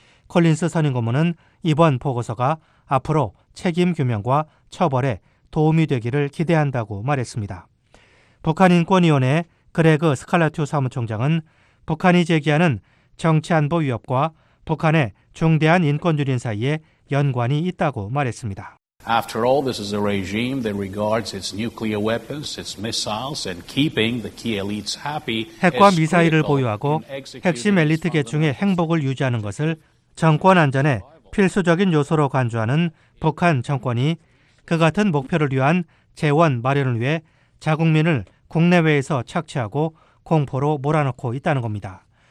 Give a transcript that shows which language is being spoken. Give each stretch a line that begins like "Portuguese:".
Korean: 콜린스 선임고문은 이번 보고서가 앞으로 책임 규명과 처벌에 도움이 되기를 기대한다고 말했습니다. 북한인권위원회 그레그 스칼라투 사무총장은 북한이 제기하는 정치안보 위협과 북한의 중대한 인권유린 사이에 연관이 있다고 말했습니다.
English: After all, this is a regime that regards its nuclear weapons, its missiles, and keeping the key elites happy.
Korean: 핵과 미사일을 보유하고 핵심 엘리트 계층의 행복을 유지하는 것을 정권 안전에 필수적인 요소로 간주하는 북한 정권이 그 같은 목표를 위한 재원 마련을 위해 자국민을 국내외에서 착취하고 공포로 몰아넣고 있다는 겁니다.